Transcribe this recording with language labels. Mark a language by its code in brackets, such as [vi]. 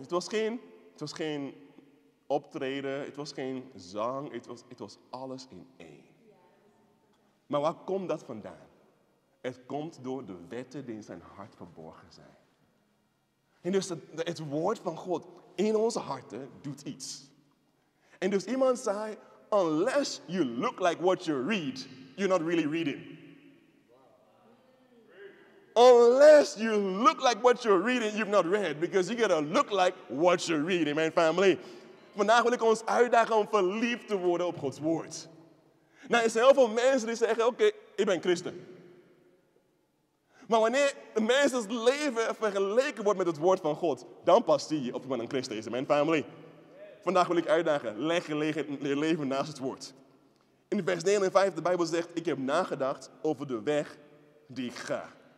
[nl] Het was geen optreden, het was geen zang, het was alles in één. Maar waar komt dat vandaan? Het komt door de wetten die in zijn hart verborgen zijn. En dus het woord van God in onze harten doet iets. En dus iemand zei, [en] unless you look like what you read, you're not really reading. Unless you look like what you're reading, you've not read. Because you gotta look like what you're reading, my family. [nl] Vandaag wil ik ons uitdagen om verliefd te worden op Gods woord. Nou, er zijn heel veel mensen die zeggen, oké, ik ben christen. Maar wanneer de mensen's leven vergeleken wordt met het woord van God, dan pas zie je of iemand een christen is, [en] my family. [nl] Vandaag wil ik uitdagen, leg je leven naast het woord. In vers 9 en 5, de Bijbel zegt, ik heb nagedacht over de weg die ik ga.